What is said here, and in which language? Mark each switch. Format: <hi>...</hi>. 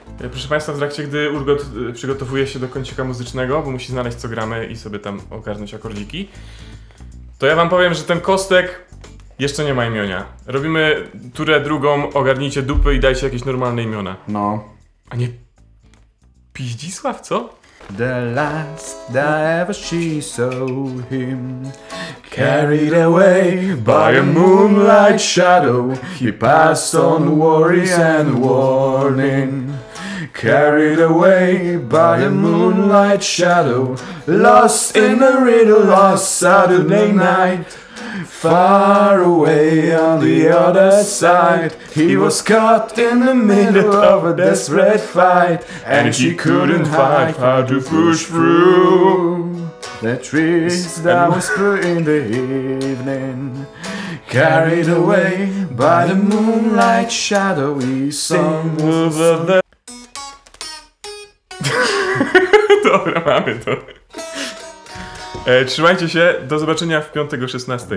<pl>Proszę Państwa, w trakcie gdy Urgot przygotowuje się do kącika muzycznego, bo musi znaleźć co gramy i sobie tam ogarnąć akordziki, to ja wam powiem, że ten kostek jeszcze nie ma imienia. Robimy turę drugą, ogarnijcie dupy i dajcie jakieś normalne imiona. No. A nie... Piździsław, co?</pl> <en>The last that ever she saw him, carried away by a moonlight shadow, he passed on worries and warning. Carried away by a moonlight shadow, lost in a riddle last Saturday night. Far away on the other side, he was caught in the middle of a desperate fight, and she couldn't hide how to push through the trees that whisper in the evening. Carried away by the moonlight shadowy songs.</en> <pl>Dobra, mamy to. Trzymajcie się, do zobaczenia w piątek o 16.</pl>